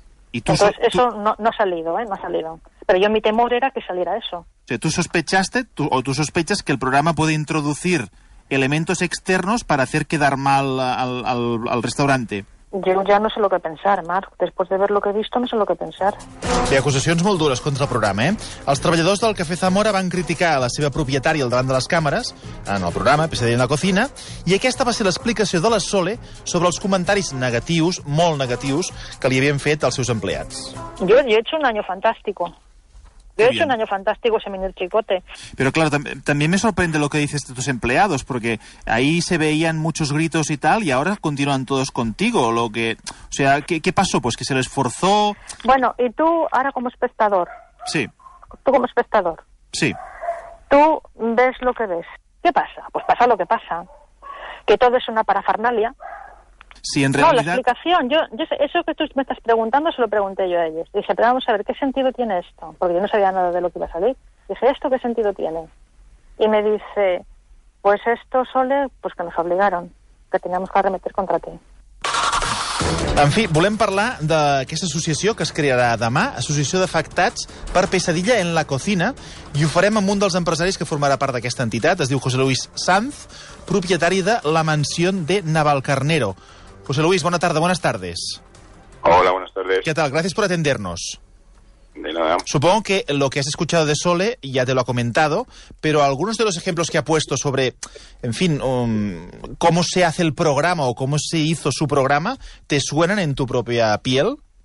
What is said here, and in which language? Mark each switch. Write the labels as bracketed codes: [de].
[es] Y tú, entonces, eso no ha salido, ¿eh? No ha salido. Pero yo mi temor era que saliera eso. O sea, tú sospechas que el programa puede introducir elementos externos para hacer quedar mal al restaurante. Yo ya no sé lo que pensar, Marc. Después de ver lo que he visto, no sé lo que pensar. [ca] Bé, acusacions molt dures contra el programa, Els treballadors del Café Zamora van criticar la seva propietària al davant de les càmeres, en el programa, PSD en la cocina, i aquesta va ser l'explicació de la Sole sobre els comentaris negatius, molt negatius, que li havien fet als seus empleats. [es] Yo he hecho un año fantástico. Yo he hecho un año fantástico, se me dio el Chicote. Pero claro, también me sorprende lo que dices de tus empleados, porque ahí se veían muchos gritos y tal, y ahora continúan todos contigo. ¿Qué pasó? Pues que se les forzó. Bueno, y tú ahora como espectador. Sí. Tú como espectador. Sí. Tú ves lo que ves. ¿Qué pasa? Pues pasa lo que pasa. Que todo es una parafernalia. Sí, en realidad. No, la explicación, yo eso que tú me estás preguntando se lo pregunté yo a ellos. Dije, pero vamos a ver, ¿qué sentido tiene esto? Porque yo no sabía nada de lo que iba a salir. Dije, ¿esto qué sentido tiene? Y me dice, pues esto, Sole, pues que nos obligaron, que teníamos que arremeter contra ti. [ca] En fi, volem parlar d'aquesta associació que es crearà demà, Associació d'Afectats per Pesadilla en la Cocina, i ho farem amb un dels empresaris que formarà part d'aquesta entitat. Es diu José Luis Sanz, propietari de La Mansión de Navalcarnero. José Luis, bona tarda, [es] buenas tardes. Hola, buenas tardes. ¿Qué tal? Gracias por atendernos. De nada. Supongo que lo que has escuchado de Sole ya te lo ha comentado, pero algunos de los ejemplos que ha puesto sobre, en fin, cómo se hace el programa o cómo se hizo su programa, ¿te suenan en tu propia piel?